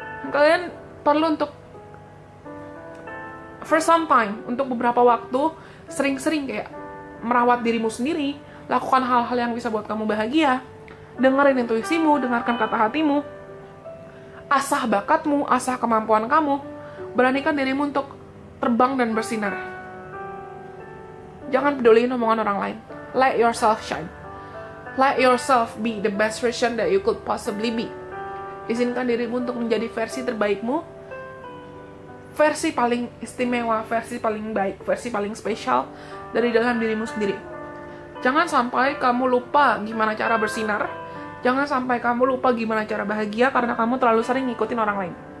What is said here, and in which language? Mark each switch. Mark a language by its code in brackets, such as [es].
[id] Kalian perlu untuk [en] for some time, [id] untuk beberapa waktu, sering-sering kayak merawat dirimu sendiri, lakukan hal-hal yang bisa buat kamu bahagia. Dengarin intuisimu, dengarkan kata hatimu. Asah bakatmu, asah kemampuan kamu. Beranikan dirimu untuk terbang dan bersinar. Jangan peduliin omongan orang lain. [en] Let yourself shine. Let yourself be the best version that you could possibly be. [id] Izinkan dirimu untuk menjadi versi terbaikmu. Versi paling istimewa, versi paling baik, versi paling spesial dari dalam dirimu sendiri. Jangan sampai kamu lupa gimana cara bersinar. Jangan sampai kamu lupa gimana cara bahagia karena kamu terlalu sering ngikutin orang lain.